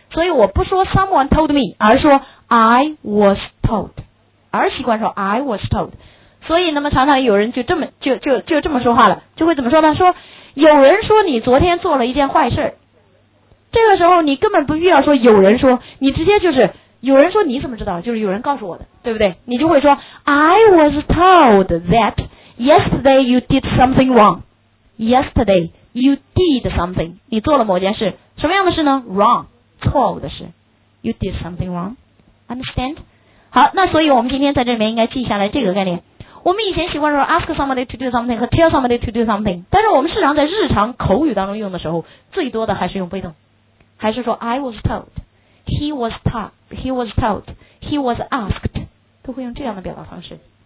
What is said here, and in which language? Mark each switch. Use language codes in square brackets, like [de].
[zh] 所以我不说 [en] someone told me， [zh] 而说 [en] I was told， [zh] 而习惯说 [en] I was told。 [zh] 所以那么常常有人就这么就这么说话了，就会怎么说呢？说有人说你昨天做了一件坏事，这个时候你根本不必要说有人说，你直接就是有人说你怎么知道，就是有人告诉我的，对不对？你就会说 [en] I was told that yesterday you did something wrong， yesterday you did something， [zh] 你做了某件事，什么样的事呢？ [en] wrong， [zh] 错误的事。 [en] you did something wrong， understand。 [zh] 好，那所以我们今天在这里面应该记下来这个概念。我们以前习惯说 [en] ask somebody to do something [zh] 和 [en] tell somebody to do something， [zh] 但是我们时常在日常口语当中用的时候，最多的还是用被动，还是说 [en] I was told， he was taught， he was told， he was asked， [zh] 都会用这样的表达方式。